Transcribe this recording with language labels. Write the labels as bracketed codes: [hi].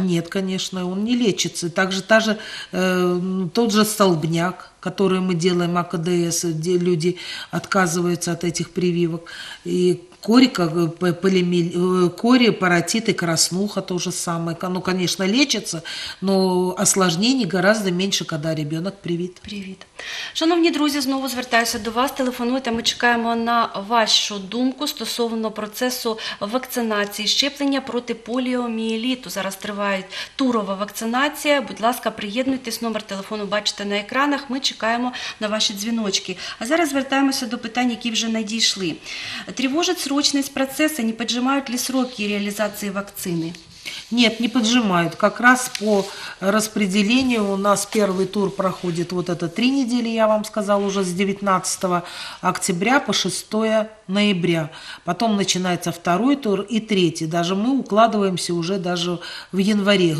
[ru] Нет, конечно, он не лечится. Также тот же столбняк, который мы делаем, АКДС, где люди отказываются от этих прививок. И кори, паротит и краснуха то же самое. Ну, конечно, лечится, но осложнений гораздо меньше, когда ребенок привит. Привит. [uk] Шановні друзі, знову звертаюся до вас, телефонуйте, ми чекаємо на вашу думку стосовно процесу вакцинації, щеплення проти поліомієліту. Зараз триває турова вакцинація, будь ласка, приєднуйтесь, номер телефону бачите на екранах, ми чекаємо на ваші дзвіночки. А зараз звертаємося до питань, які вже надійшли. Тривожить срочність процесу, не піджимають ли сроки реалізації вакцини? [ru] Нет, не поджимают. Как раз по распределению у нас первый тур проходит вот это 3 недели, я вам сказала, уже с 19 октября по 6 ноября. Потом начинается второй тур и третий. Даже мы укладываемся уже даже в январе.